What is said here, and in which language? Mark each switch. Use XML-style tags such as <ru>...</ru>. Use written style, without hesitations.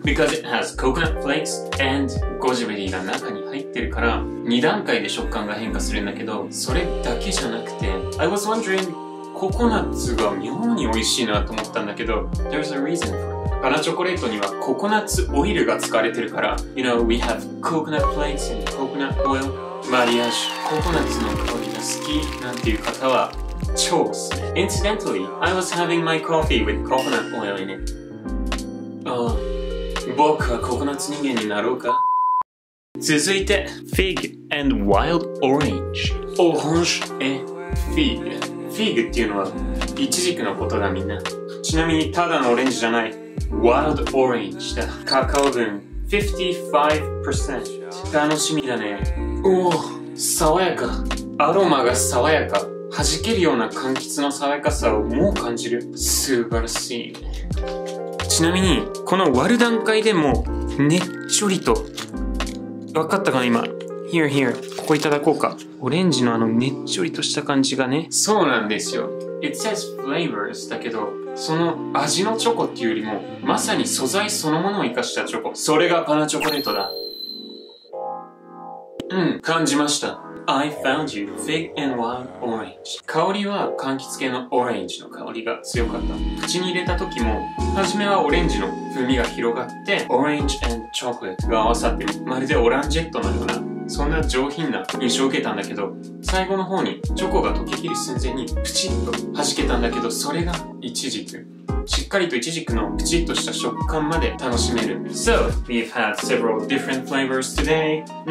<en>Because it has coconut flakes and</en> <ja>ゴジベリーが中に入ってるから、2段階で食感が変化するんだけど、それだけじゃなくて</ja> <en>I was wondering、</en> <ja>ココナッツが妙に美味しいなと思ったんだけど、</ja> <en>There's a reason for it。</en> <ja>パナチョコレートにはココナッツオイルが使われてるから、</ja> <en>You know, we have coconut flakes and coconut oil。</en> <ja>マリアージュ、ココナッツの香りが好きなんていう方は超おすすめ。</ja> <en>Incidentally, I was having my coffee with coconut oil in it。</en> <ja>僕はココナッツ人間になろうか。続いて Fig and Wild Orange。オレンジ、Fig。 Fig っていうのはイチジクのことだ、みんな。ちなみにただのオレンジじゃない、 Wild Orange だ。カカオ分 55%。楽しみだね。おお、爽やか、アロマが爽やか、弾けるような柑橘の爽やかさをもう感じる。素晴らしい。ちなみにこの割る段階でもねっちょりと、わかったかな今。</ja> <en>Here here、</en> <ja>ここいただこうか。オレンジのあのねっちょりとした感じがね。そうなんですよ。</ja> <en>It says flavors</en> <ja>だけど、その味のチョコっていうよりもまさに素材そのものを生かしたチョコ、それがパナチョコレートだ。うん、感じました。</ja> <en>I found you, thick and wild orange.</en> <ja>香りは柑橘系のオレンジの香りが強かった。口に入れた時も、初めはオレンジの風味が広がって、オレンジ</ja> <en>and chocolate</en> <ja>が合わさって、まるでオランジェットのような、そんな上品な印象を受けたんだけど、最後の方にチョコが溶けきる寸前にプチッと弾けたんだけど、それがイチジク。しっかりとイチジクのプチッとした食感まで楽しめる。</ja> <en>So, we've had several different flavors today.</en>